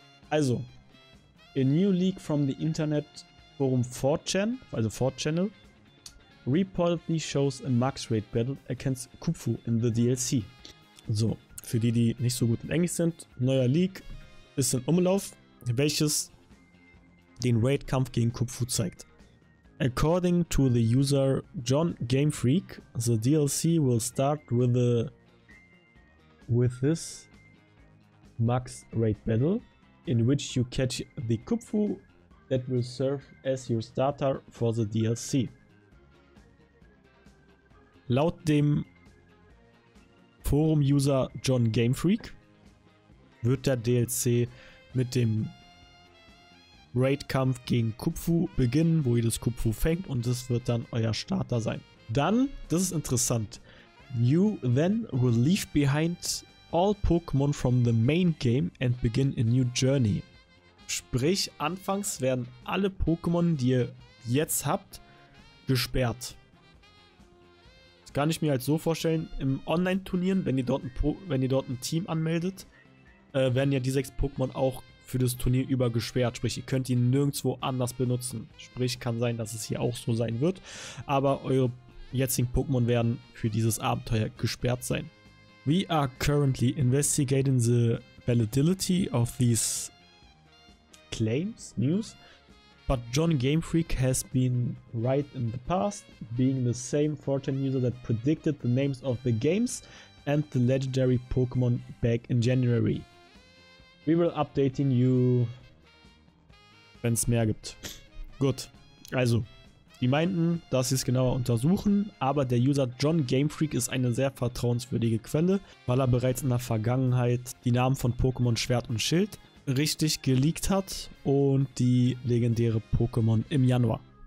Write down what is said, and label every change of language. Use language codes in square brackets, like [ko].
[en] Also, a new leak from the Internet Forum 4chan, also 4channel, reportedly shows a max raid battle against Kupfu in the DLC. [de] So, für die, die nicht so gut in Englisch sind, neuer Leak ist in Umlauf, welches den Raid-Kampf gegen Kupfu zeigt. [en] According to the user John Game Freak, the DLC will start with this max raid battle, in which you catch the Kupfu that will serve as your starter for the DLC. [de] Laut dem Forum-User John Game Freak wird der DLC mit dem Raid-Kampf gegen Kupfu beginnen, wo ihr das Kupfu fängt und das wird dann euer Starter sein. Dann, das ist interessant, [en] you then will leave behind all Pokémon from the main game and begin a new journey. [de] Sprich, anfangs werden alle Pokémon, die ihr jetzt habt, gesperrt. Das kann ich mir halt so vorstellen, im Online-Turnieren, wenn ihr dort ein Team anmeldet, werden ja die 6 Pokémon auch für das Turnier über gesperrt. Sprich, ihr könnt die nirgendwo anders benutzen. Sprich, kann sein, dass es hier auch so sein wird. Aber eure jetzigen Pokémon werden für dieses Abenteuer gesperrt sein. [en] We are currently investigating the validity of these claims, news, but John Game Freak has been right in the past, being the same 4chan user that predicted the names of the games and the legendary Pokémon back in January. We will updating you, [de] wenn es mehr gibt. Gut, also, die meinten, dass sie es genauer untersuchen, aber der User John Game Freak ist eine sehr vertrauenswürdige Quelle, weil er bereits in der Vergangenheit die Namen von Pokémon Schwert und Schild richtig geleakt hat und die legendäre Pokémon im Januar.